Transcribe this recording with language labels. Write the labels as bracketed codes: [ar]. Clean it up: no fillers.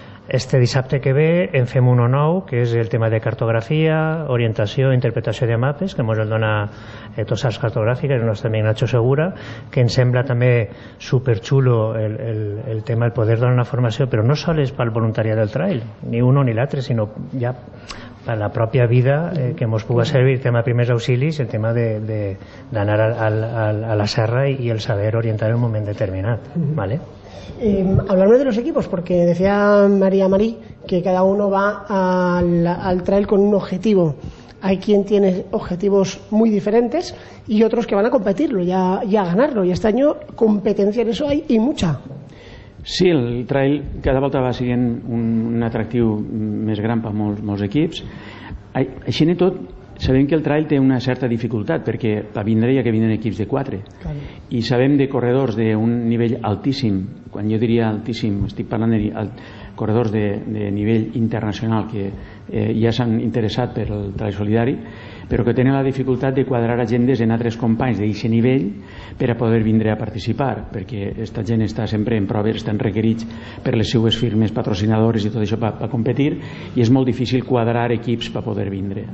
[ca] Este dissabte que ve en fem un nou, que és el tema de cartografia, orientació, interpretació de mapes, que ens el dona tots els cartogràfics, el nostre amic Nacho Segura, que em sembla també superxulo el tema del poder donar una formació, però no sols pel voluntariat del trail, ni un ni l'altre, sinó ja per la pròpia vida, que ens pugui servir el tema de primers auxilis, el tema d'anar a la serra i el saber orientar en un moment determinat. [es] ¿Vale? Hablarme de los equipos, porque decía María Marí que cada uno va al trail con un objetivo. Hay quien tiene objetivos muy diferentes y otros que van a competirlo y a ganarlo. Y este año competencia en eso hay y mucha. [ca] Sí, el trail cada volta va siguent un atractiu més gran per molts equips. Així i tot, sabem que el trail té una certa dificultat perquè va vindre ja que vinen equips de 4. Clar. I sabem de corredors d'un nivell altíssim, quan jo diria altíssim, estic parlant de corredors de nivell internacional que ja s'han interessat per el trail solidari, però que tenen la dificultat de quadrar agendes en altres companys d'aquest nivell per a poder vindre a participar, perquè aquesta gent està sempre en proves, estan requerits per les seues firmes patrocinadores i tot això per competir, i és molt difícil quadrar equips per poder vindre.